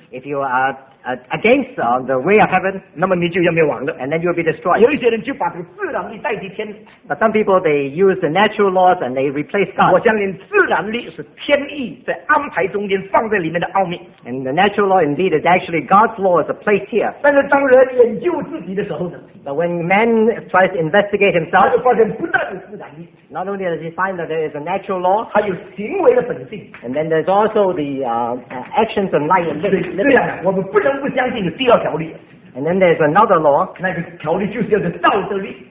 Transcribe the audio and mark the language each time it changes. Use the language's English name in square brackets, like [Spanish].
[English] if you are against the way of heaven, [Chinese] 那么你就要灭亡了。 [English] And then you will be destroyed. [Chinese] 有一些人就把这个自然力代替天, [English] but some people, they use the natural laws and they replace God. [Chinese] 我相信自然力是天意在安排中间放在里面的奥秘。 [English] And the natural law indeed is actually God's law is placed here. [Chinese] 但是当人研究自己的时候呢, [English] but when man tries to investigate himself, [Chinese] 他就发现不但有自然力, [English] not only does he find that there is a natural law, [Chinese] 还有行为的本性, [English] and then there's also the actions and life. [Chinese] 对啊,我们不能不相信第二条例, [English] and then there's another law, [Chinese] 那个条例就是叫做道德律,